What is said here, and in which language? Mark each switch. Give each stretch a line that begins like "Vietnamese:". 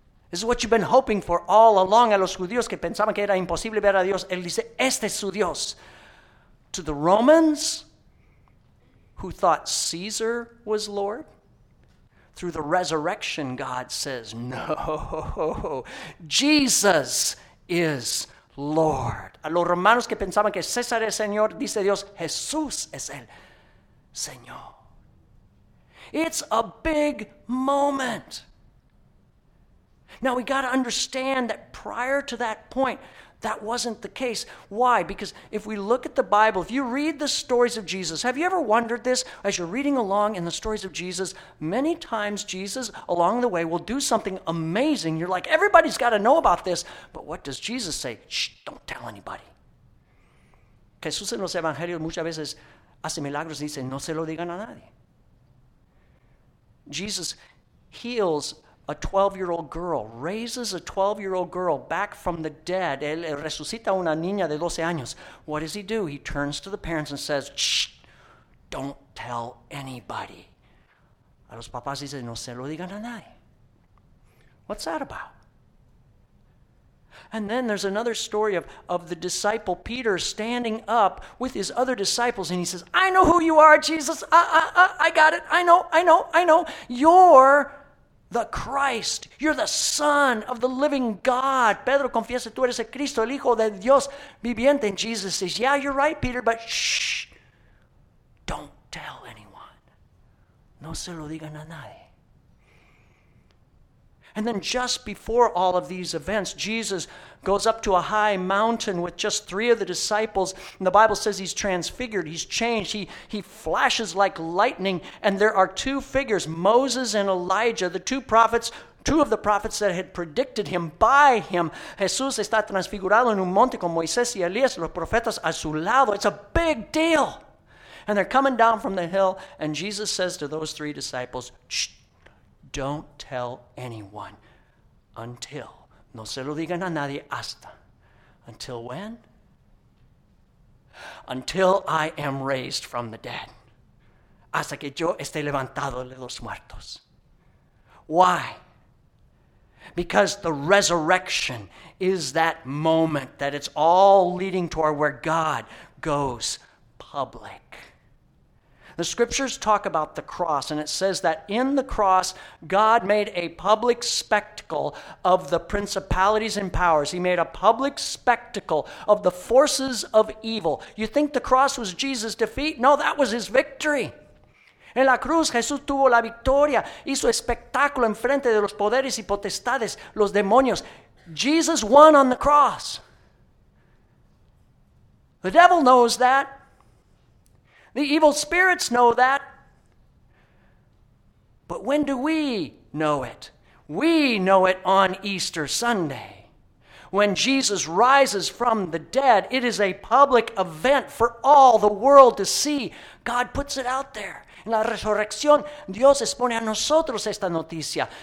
English: This is what you've been hoping for all along.
Spanish: A los judíos que pensaban que era imposible ver a Dios, él dice, este es su Dios.
English: To the Romans who thought Caesar was Lord, through the resurrection, God says, no, Jesus is Lord.
Spanish: A los romanos que pensaban que César es Señor, dice Dios, Jesús es el Señor.
English: It's a big moment. Now we got to understand that prior to that point, that wasn't the case. Why? Because if we look at the Bible, if you read the stories of Jesus, have you ever wondered this? As you're reading along in the stories of Jesus, many times Jesus along the way will do something amazing. You're like, everybody's got to know about this. But what does Jesus say? Shh, don't tell anybody.
Spanish: Jesús en los evangelios muchas veces hace milagros y dice, no se lo digan a nadie.
English: Jesus heals a 12-year-old girl, raises a 12-year-old girl back from the dead.
Spanish: Él resucita una niña de 12 años.
English: What does he do? He turns to the parents and says, shh, don't tell anybody.
Spanish: A los papás dice, no se lo digan a nadie.
English: What's that about? And then there's another story of the disciple Peter standing up with his other disciples, and he says, I know who you are, Jesus. I got it. I know. You're the Christ, you're the Son of the living God.
Spanish: Pedro confiesa, tú eres el Cristo, el Hijo de Dios viviente.
English: And Jesus says, yeah, you're right, Peter, but shh, don't tell anyone.
Spanish: No se lo digan a nadie.
English: And then just before all of these events, Jesus goes up to a high mountain with just three of the disciples. And the Bible says he's transfigured. He's changed. He flashes like lightning. And there are two figures, Moses and Elijah, the two prophets, two of the prophets that had predicted him by him.
Spanish: Jesús está transfigurado en un monte con Moisés y Elías, los profetas a su lado.
English: It's a big deal. And they're coming down from the hill. And Jesus says to those three disciples, shh, don't tell anyone until,
Spanish: no se lo digan a nadie hasta,
English: until when? Until I am raised from the dead.
Spanish: Hasta que yo esté levantado de los muertos.
English: Why? Because the resurrection is that moment that it's all leading toward where God goes public. The scriptures talk about the cross, and it says that in the cross, God made a public spectacle of the principalities and powers. He made a public spectacle of the forces of evil. You think the cross was Jesus' defeat? No, that was his victory.
Spanish: En la cruz, Jesús tuvo la victoria. Hizo espectáculo en frente de los poderes y potestades, los demonios.
English: Jesus won on the cross. The devil knows that. The evil spirits know that. But when do we know it? We know it on Easter Sunday. When Jesus rises from the dead, it is a public event for all the world to see. God puts it out there.
Spanish: En la resurrección, Dios expone a nosotros esta noticia.